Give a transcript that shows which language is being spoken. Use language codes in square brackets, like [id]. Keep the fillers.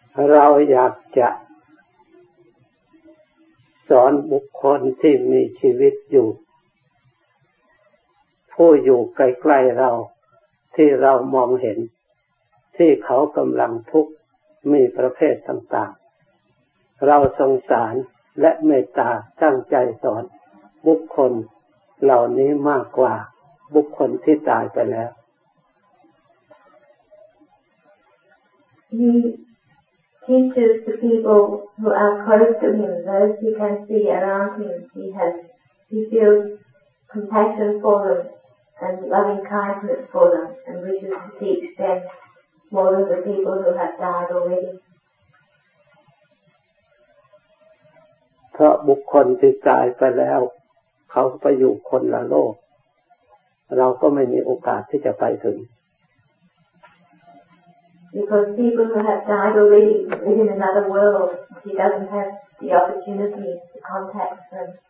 [th] เราอยากจะสอนบุคคลที่มีชีวิตอยู่ ผู้อยู่ใกล้ๆเราที่เรามองเห็น ที่เขากำลังทุกข์มีประเภทต่างๆ เราสงสารและเมตตาตั้งใจสอน บุคคลเหล่านี้มากกว่า บุคคลที่ตายไปแล้ว [en] He teaches the people who are close to him, those he can see around him. He has, he feels compassion for them and loving kindness for them and wishes to teach them more than the people who have died already. [th] เพราะบุคคลที่ตายไปแล้ว เขาไปอยู่คนละโลก เราก็ไม่มีโอกาสที่จะไปถึง [en] Because people who have died already live in another world. He doesn't have the opportunity to contact them.